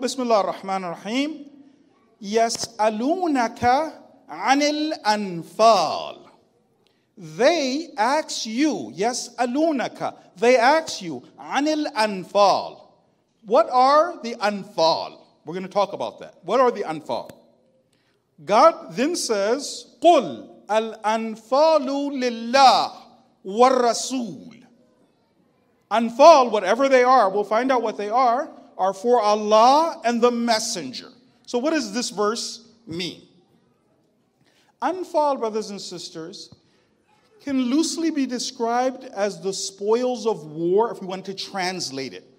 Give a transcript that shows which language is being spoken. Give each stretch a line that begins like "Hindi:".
Arabic: Bismillah ar-Rahman ar-Rahim. Yas'alunaka anil anfal.
English: They ask you, yas'alunaka, they ask you, anil anfal. What are the anfal? We're going to talk about that. What are the anfal? God then says,
Arabic: قُلْ الْأَنْفَالُ لِلَّهِ وَالرَّسُولِ.
English: Anfal, whatever they are, we'll find out what they are for Allah and the Messenger. So what does this verse mean? Anfal, brothers and sisters, can loosely be described as the spoils of war, if we want to translate it.